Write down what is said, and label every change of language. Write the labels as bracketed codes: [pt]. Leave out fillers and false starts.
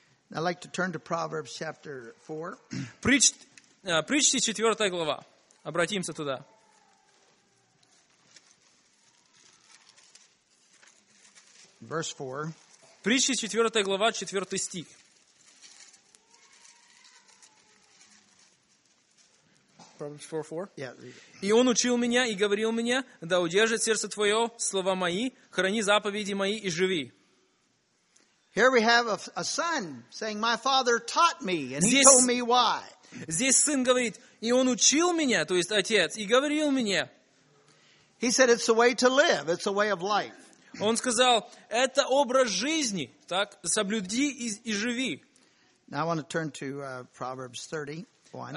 [en] I'd like to turn to Proverbs chapter 4. [ru] Притчи 4 глава. Обратимся туда. [en] Verse 4. [ru] Притчи 4 глава, 4 стих. [en] Proverbs 4:4. Yeah. [ru] И он учил меня и говорил мне: да удержит сердце твое слова мои, храни заповеди мои и живи. [en] Here we have a son saying, my father taught me and he told me why. [ru] Здесь сын говорит, и он учил меня, то есть отец, и говорил мне. [en] He said, it's a way to live, it's a way of life. [ru] Он сказал, это образ жизни, так, соблюди и живи. [en] Now I want to turn to Proverbs 31.